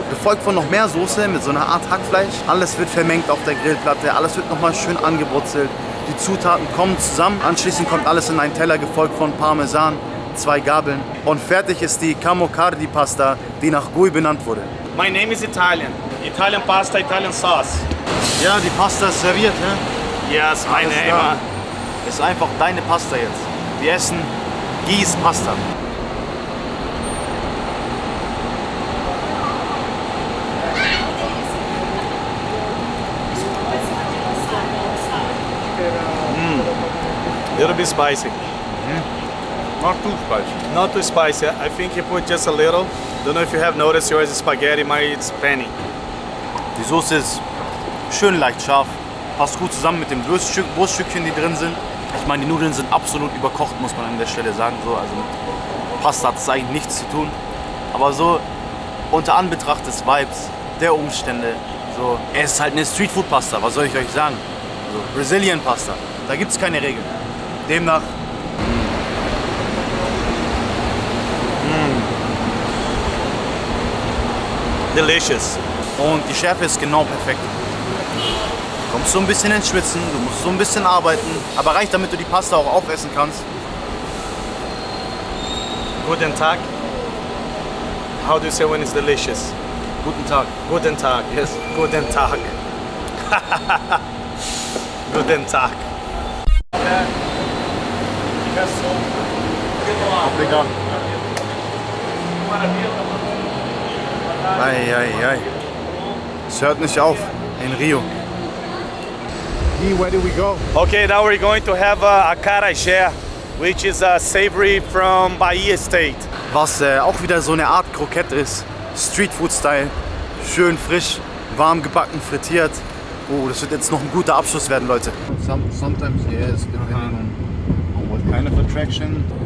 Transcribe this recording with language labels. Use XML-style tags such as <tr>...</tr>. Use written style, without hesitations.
<de>Gefolgt von noch mehr Soße mit so einer Art Hackfleisch. Alles wird vermengt auf der Grillplatte, alles wird nochmal schön angebrutzelt. Die Zutaten kommen zusammen. Anschließend kommt alles in einen Teller, gefolgt von Parmesan, zwei Gabeln. Und fertig ist die Como Cardi Pasta, die nach Guy benannt wurde.</de> <en>My name is Italian. Italian Pasta, Italian Sauce.</en> <de>Ja, die Pasta ist serviert, ne?</de> <en>Ja, yes, my name. Da.</en> <de>Ist einfach deine Pasta jetzt. Wir essen Guys Pasta.</de> <en>A little bit spicy. Mm-hmm. Not too spicy. Not too spicy. I think you put just a little. Don't know if you have noticed, yours is spaghetti, mine is penne.</en> <de>Die Soße ist schön leicht scharf. Passt gut zusammen mit den Wurststückchen, die drin sind. Ich meine, die Nudeln sind absolut überkocht, muss man an der Stelle sagen. So, also mit Pasta hat es eigentlich nichts zu tun. Aber so unter Anbetracht des Vibes, der Umstände, so. Es ist halt eine Streetfood-Pasta, was soll ich euch sagen? So, Brazilian-Pasta, da gibt es keine Regeln. Demnach.</de> <en>Delicious.</en> <de>Und die Schärfe ist genau perfekt. Du kommst so ein bisschen ins Schwitzen, du musst so ein bisschen arbeiten. Aber reicht, damit du die Pasta auch aufessen kannst. Guten Tag.</de> <en>How do you say when it's delicious?</en> <de>Guten Tag. Guten Tag,</de> <en>yes.</en> <de>Guten Tag. Guten Tag. Ai, ai, ai. Es hört nicht auf in Rio.</de> <en>Where do we go? Okay, now we're going to have acarajé, which is a savory from Bahia State.</en> <de>Was auch wieder so eine Art Kroket ist, Streetfood-Style, schön frisch, warm gebacken, frittiert. Oh, das wird jetzt noch ein guter Abschluss werden, Leute.</de> <en>Sometimes yes, depending on what kind of attraction.</en>